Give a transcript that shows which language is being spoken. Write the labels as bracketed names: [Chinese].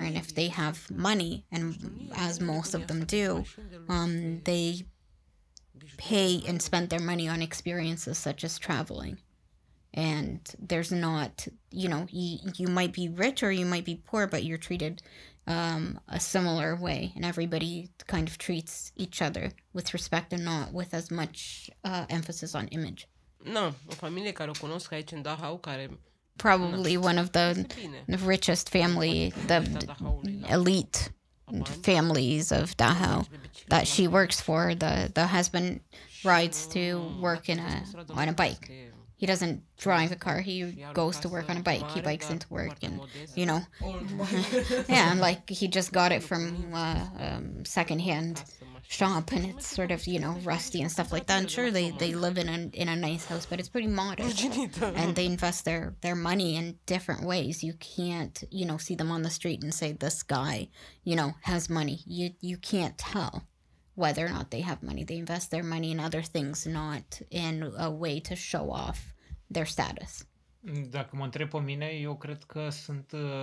[English] And if they have money, and as most of them do, they pay and spend their money on experiences such as traveling. And there's not, you know, you might be rich or you might be poor, but you're treated a similar way. And everybody kind of treats each other with respect and not with as much emphasis on image. [Romanian] No, o familie care o cunosc aici în Dahau, care... [English] Probably one of the richest family, the elite families of Dahau that she works for, the husband rides to work on a bike. He doesn't drive a car. He goes to work on a bike. He bikes into work and, you know. Yeah, and like he just got it from a secondhand shop and it's sort of, you know, rusty and stuff like that. And sure, they live in a nice house, but it's pretty modern. And they invest their money in different ways. You can't, you know, see them on the street and say, this guy, you know, has money. You can't tell whether or not they have money. They invest their money in other things, not in a way to show off their status. [Romanian] Dacă mă întreb pe mine, eu cred că sunt